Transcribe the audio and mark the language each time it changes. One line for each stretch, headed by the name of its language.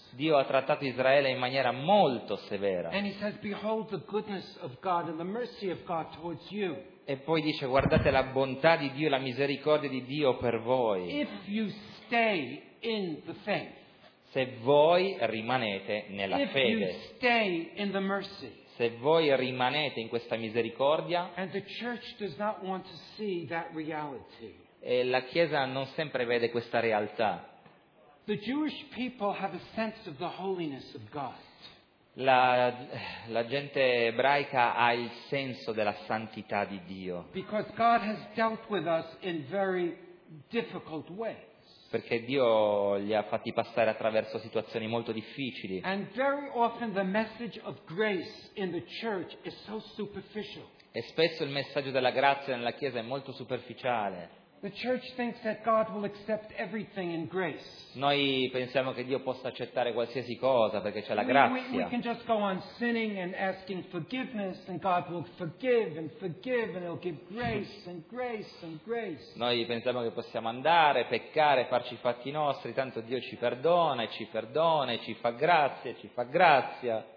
Italian: Dio ha trattato Israele in maniera molto severa.
English: And he says, behold the goodness of God and the mercy of God towards you.
Italian: E poi dice: guardate la bontà di Dio e la misericordia di Dio per voi.
English: If you stay in the faith.
Italian: Se voi rimanete nella fede.
English: If you stay in the mercy.
Italian: Se voi rimanete in questa misericordia.
English: And the church does not want to see that reality.
Italian: E la Chiesa non sempre vede questa realtà.
English: The Jewish people have a sense of the holiness of God.
Italian: La gente ebraica ha il senso della santità di Dio.
English: Because God has dealt with us in very difficult ways.
Italian: Perché Dio li ha fatti passare attraverso situazioni molto difficili.
English: And very often the message of grace in the church is so superficial.
Italian: E spesso il messaggio della grazia nella Chiesa è molto superficiale.
English: The church thinks that God will accept everything in grace.
Italian: Noi pensiamo che Dio possa accettare qualsiasi cosa perché c'è la grazia.
English: We can just go on sinning and asking forgiveness and God will forgive and forgive and he'll give grace and grace and grace.
Italian: Noi pensiamo che possiamo andare, peccare, farci i fatti nostri, tanto Dio ci perdona e ci perdona e ci fa grazia e ci fa grazia.